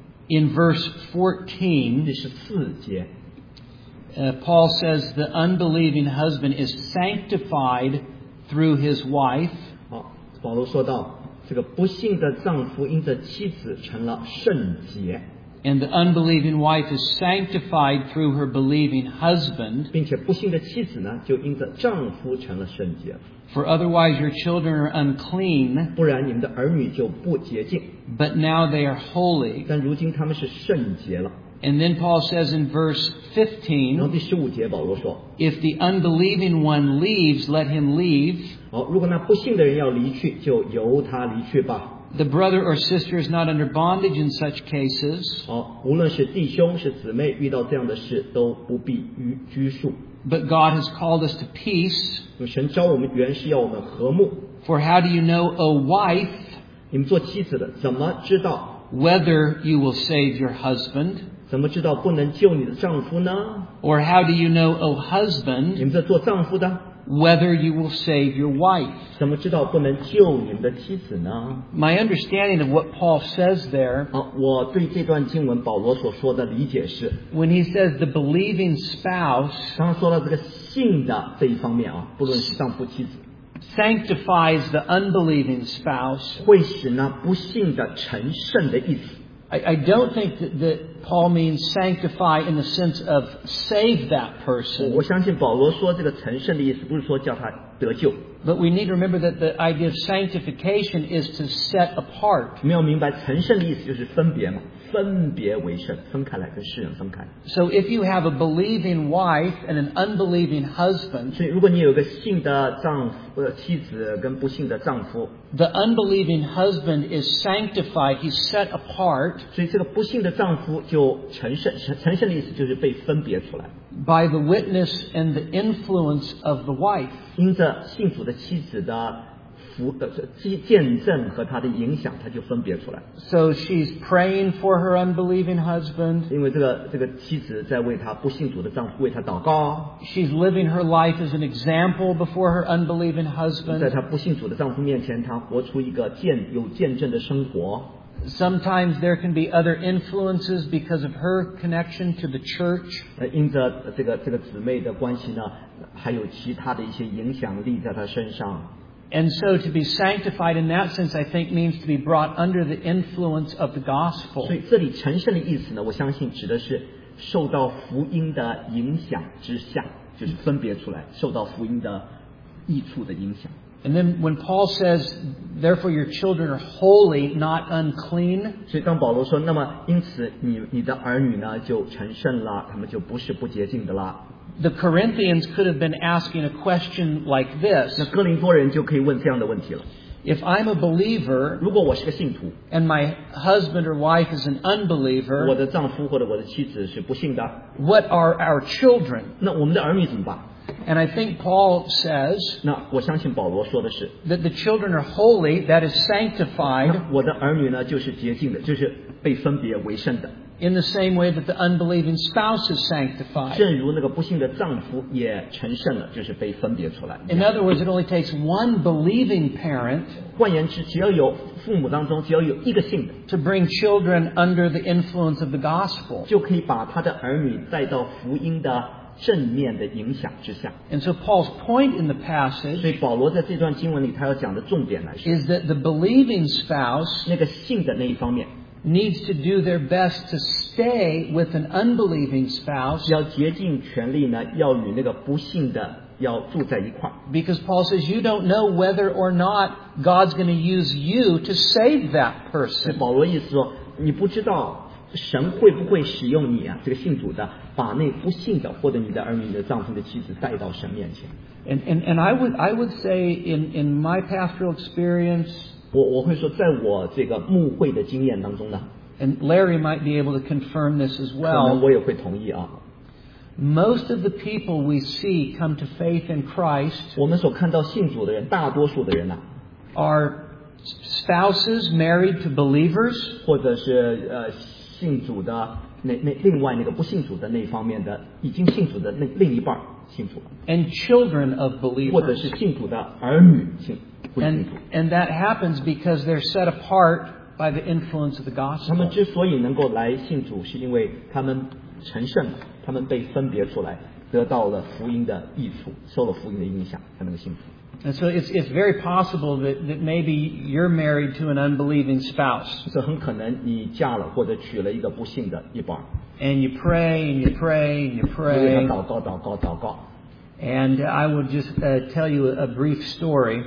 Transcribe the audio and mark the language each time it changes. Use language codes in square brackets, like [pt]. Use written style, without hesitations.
[en] In verse 14, Paul says the unbelieving husband is sanctified through his wife. [zh] 保罗说到，这个不信的丈夫因着妻子成了圣洁。 [en] And the unbelieving wife is sanctified through her believing husband. [zh] 并且不信的妻子呢，就因着丈夫成了圣洁。 [en] For otherwise your children are unclean. [zh] 不然你们的儿女就不洁净。 [en] But now they are holy. [zh] 但如今他们是圣洁了。 [en] And then Paul says in verse 15. [zh] 然后第十五节保罗说。 [en] If the unbelieving one leaves, let him leave. [zh] 好，如果那不信的人要离去，就由他离去吧。 [en] The brother or sister is not under bondage in such cases. [zh] 无论是弟兄是姊妹，遇到这样的事都不必拘束。 [en] But God has called us to peace. [zh] 神召我们原是要我们和睦。 [en] For how do you know, O wife? [zh] 你们做妻子的怎么知道 [en] whether you will save your husband? [zh] 怎么知道不能救你的丈夫呢？ [en] Or how do you know, O husband? [zh] 你们在做丈夫的。 [en] Whether you will save your wife. [zh] 怎么知道不能救你们的妻子呢？ [en] My understanding of what Paul says there. [zh] 我对这段经文保罗所说的理解是。 [en] When he says the believing spouse. [zh] 刚刚说到这个信的这一方面啊，不论是丈夫妻子。 [en] Sanctifies the unbelieving spouse. [zh] 会使那不信的成圣的意思。 [en] I don't think that Paul means sanctify in the sense of save that person. [zh] 我相信保罗说这个成圣的意思不是说叫他得救。 [en] But we need to remember that the idea of sanctification is to set apart. [zh] 你要明白成圣的意思就是分别嘛。分别为圣，分开来跟世人分开。 [en] So if you have a believing wife and an unbelieving husband, [zh] 所以如果你有个信的丈夫妻子跟不信的丈夫， [en] the unbelieving husband is sanctified, he's set apart. [zh] 所以这个不信的丈夫就成圣，成圣的意思就是被分别出来。 [en] By the witness and the influence of the wife, [zh] 因着信主的妻子的见证和他的影响，他就分别出来。 [en] So she's praying for her unbelieving husband. [zh] 因为这个妻子在为她不信主的丈夫为她祷告。 [en] She's living her life as an example before her unbelieving husband. [zh] 在她不信主的丈夫面前，她活出一个有见证的生活。 [en] Sometimes there can be other influences because of her connection to the church. [zh] 因着这个姊妹的关系呢，还有其他的一些影响力在她身上。 [en] And so to be sanctified in that sense, I think, means to be brought under the influence of the gospel. [zh] 所以这里成圣的意思呢，我相信指的是受到福音的影响之下，就是分别出来，受到福音的益处的影响。 [en] And then when Paul says, therefore your children are holy, not unclean. [zh] 所以当保罗说，那么因此你的儿女呢，就成圣了，他们就不是不洁净的了。 [en] The Corinthians could have been asking a question like this. [zh] 那哥林多人就可以问这样的问题了。 [en] If I'm a believer, [zh] 如果我是个信徒， [en] and my husband or wife is an unbeliever, [zh] 我的丈夫或者我的妻子是不信的， [en] what are our children? [zh] 那我们的儿女怎么办？ [en] And I think Paul says, [zh] 那我相信保罗说的是， [en] that the children are holy, that is sanctified. [zh] 那我的儿女呢，就是洁净的，就是被分别为圣的。 [en] In the same way that the unbelieving spouse is sanctified. [zh] 正如那个不幸的丈夫也成圣了，就是被分别出来。 [en] In other words, it only takes one believing parent. [zh] 换言之，只要有父母当中只要有一个信的， [en] to bring children under the influence of the gospel. [zh] 就可以把他的儿女带到福音的正面的影响之下。 [en] And so Paul's point in the passage. [zh] 所以保罗在这段经文里他要讲的重点来说， [en] is that the believing spouse. [zh] 那个信的那一方面。 [en] Needs to do their best to stay with an unbelieving spouse. [zh] 要竭尽全力呢，要与那个不信的要住在一块。 [en] Because Paul says you don't know whether or not God's going to use you to save that person. [zh] 保罗意思说，你不知道神会不会使用你啊，这个信主的，把那不信的或者你的儿女、你的丈夫的妻子带到神面前。 [en] And I would say in my pastoral experience. [zh] 我会说在我这个牧会的经验当中呢， [en] and Larry might be able to confirm this as well, [zh] 可能我也会同意啊。 [en] Most of the people we see come to faith in Christ, [zh] 我们所看到信主的人大多数的人呢、啊、 [en] are spouses married to believers, [zh] 或者是信主的那另外那个不信主的那方面的已经信主的那另一半信主了， [en] and children of believers, [zh] 或者是信主的儿女信主。 [en] And that happens because they're set apart by the influence of the gospel. [zh] 他们之所以能够来信主，是因为他们成圣，他们被分别出来，得到了福音的益处，受了福音的影响，才能够信主。 [en] And so it's very possible that maybe you're married to an unbelieving spouse. [zh] 所以很可能你嫁了或者娶了一个不信的一半。 [en] And you pray and you pray and you pray. [zh] 为他祷告，祷告，祷告。 [en] And I will just tell you a brief story.